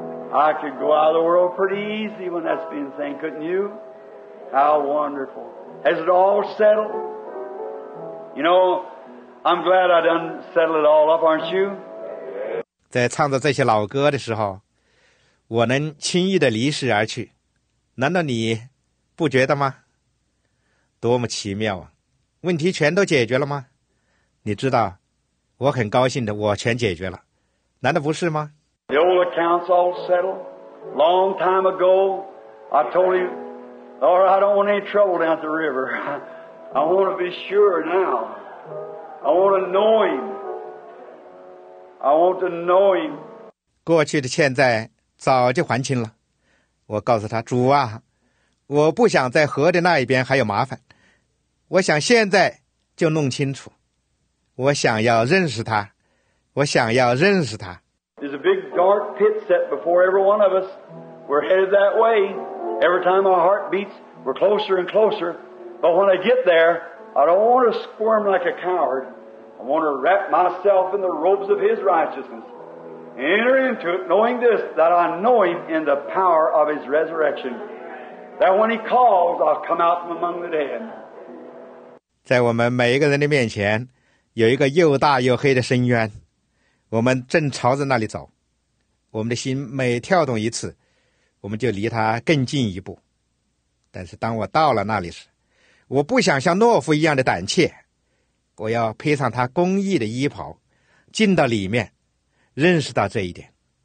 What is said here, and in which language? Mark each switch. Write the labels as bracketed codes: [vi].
[en] I could go out of the world pretty easy when that's been saying, couldn't you? How wonderful. Has it all settled? You know, I'm glad I done settled it all up, aren't you? [zh] 在唱着这些老歌的时候，我能轻易的离世而去，难道你不觉得吗？多么奇妙啊！问题全都解决了吗？你知道，我很高兴的，我全解决了，难道不是吗？ [en] The old accounts all settled. Long time ago, I told you,Lord, I don't want any trouble down at the river. I want to be sure now. I want to know Him. I want to know Him. [zh] 过去的欠债早就还清了。我告诉他，主啊，我不想在河的那一边还有麻烦。我想现在就弄清楚。我想要认识他。我想要认识他。 [en] There's a big dark pit set before every one of us. We're headed that way. Every time our heart beats, we're closer and closer. But when I get there, I don't want to squirm like a coward. I want to wrap myself in the robes of His righteousness. Enter into it, knowing this, that I know Him in the power of His resurrection. That when He calls, I'll come out from among the dead. [zh] 在我们每一个人的面前，有一个又大又黑的深渊，我们正朝着那里走。我们的心每跳动一次，我们就离他更近一步。但是当我到了那里时，我不想像懦夫一样的胆怯，我要披上他公义的衣袍，进到里面，认识到这一点。